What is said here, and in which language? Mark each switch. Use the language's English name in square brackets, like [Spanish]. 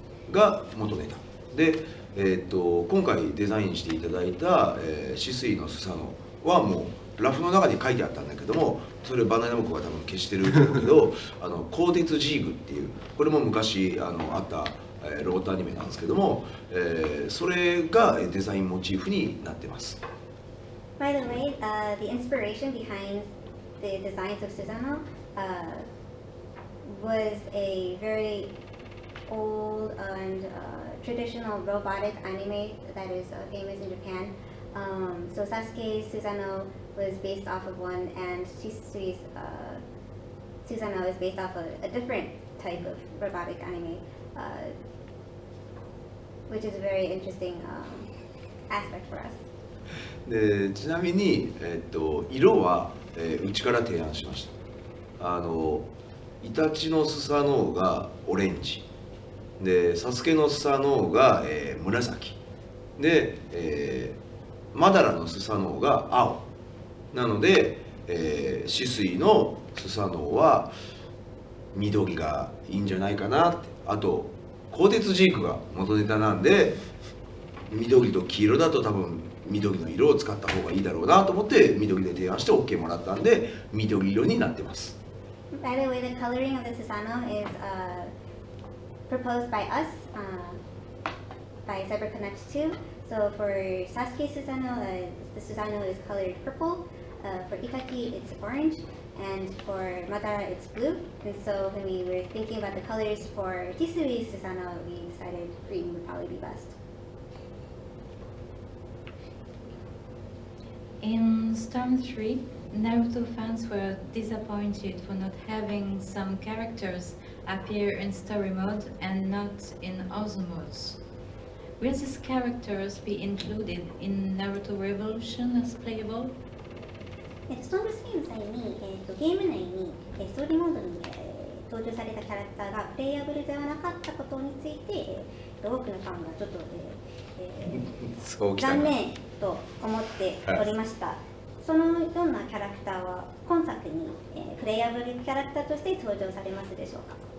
[Japanese] が元ネタで、今回デザインしていただいた、シスイのスサノオはもうラフの中に書いてあったんだけども、それバナナムコが多分消してるんだけどあの鋼鉄ジーグっていう、これも昔 あった、ロボットアニメなんですけども、それがデザインモチーフになってます。 [English] By the way,、the inspiration behind the designs of Susanoo、was a very old and、traditional robotic anime that is、famous in Japan、so Sasuke, SusanooWas based off of one, and Shisui's Susanoo is based off of a different type of robotic anime, which is a very interesting aspect for us. [Japanese] で、ちなみに、色は、うちから提案しました。あのイタチのスサノオがオレンジ、でサスケのスサノオが、紫、で、マダラのスサノオが青。なので、シスイのスサノオは緑がいいんじゃないかなって、あと鋼鉄ジークが元ネタなんで、緑と黄色だと多分緑の色を使った方がいいだろうなと思って緑で提案して OK もらったんで緑色になってます。 [English] By the way, the coloring of the Susanoo is proposed by us by CyberConnect2. So for Sasuke Susanoo, the Susanoo is colored purple. For Itachi, it's orange, and for Madara, it's blue. And so when we were thinking about the colors for Shisui Susanoo, we decided green would probably be best. In Storm 3, Naruto fans were disappointed for not having some characters appear in story mode and not in other modes. Will these characters be included in Naruto Revolution as playable? [Japanese] ストームスリーの際に、ゲーム内に、ストーリーモードに、登場されたキャラクターがプレイアブルではなかったことについて、多くのファンがちょっと、残念と思っておりました、はい、そのようなキャラクターは今作に、プレイアブルキャラクターとして登場されますでしょうか。